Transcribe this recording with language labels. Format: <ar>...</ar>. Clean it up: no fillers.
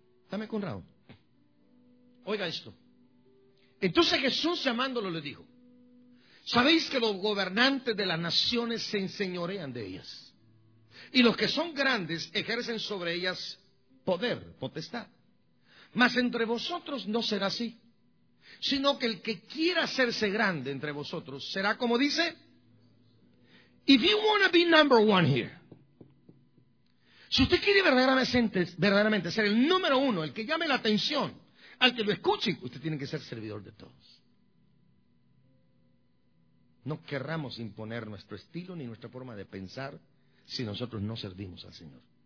<es>Dame Conrado. Oiga esto. Entonces Jesús, llamándolo, le dijo: ¿sabéis que los gobernantes de las naciones se enseñorean de ellas? Y los que son grandes ejercen sobre ellas poder, potestad. Mas entre vosotros no será así, sino que el que quiera hacerse grande entre vosotros será como dice.</es> <en>If you want to be number one here.</en> <es>Si usted quiere verdaderamente ser el número uno, el que llame la atención, al que lo escuche, usted tiene que ser servidor de todos. No querramos imponer nuestro estilo ni nuestra forma de pensar si nosotros no servimos al Señor.</es>